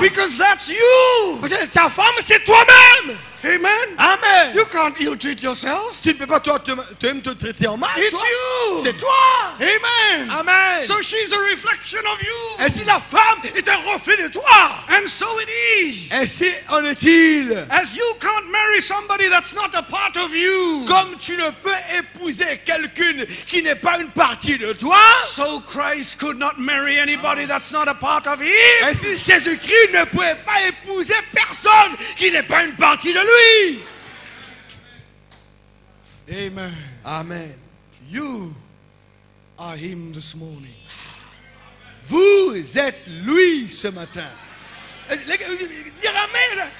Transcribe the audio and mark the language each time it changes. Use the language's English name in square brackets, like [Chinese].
[English] Because that's you. [French] Parce que ta femme, c'est toi-même. [English] Amen. [French] Amen. [English] You can't ill-treat yourself. [French] Tu ne peux pas toi-même te traiter en mal. [English] It's [French] toi. [English] It's you. [French] C'est toi. [English] Amen. [French] Amen. [English] So she's a reflection of you. [French] Et si la femme est un reflet de toi. [English] And so it is. [French] Et si en est-il. [English] As you can't marry somebody that's not a part of you. [French] Comme tu ne peux épouser quelqu'une qui n'est pas une partie de toi. [English] So Christ could not marry anybody that's not a part of him. [French] Et si Jésus-Christ ne pouvait pas épouser personne qui n'est pas une partie de lui. [English] Amen. [French] Amen. [English] You are him this morning. [French] Vous êtes lui ce matin. Dire amen.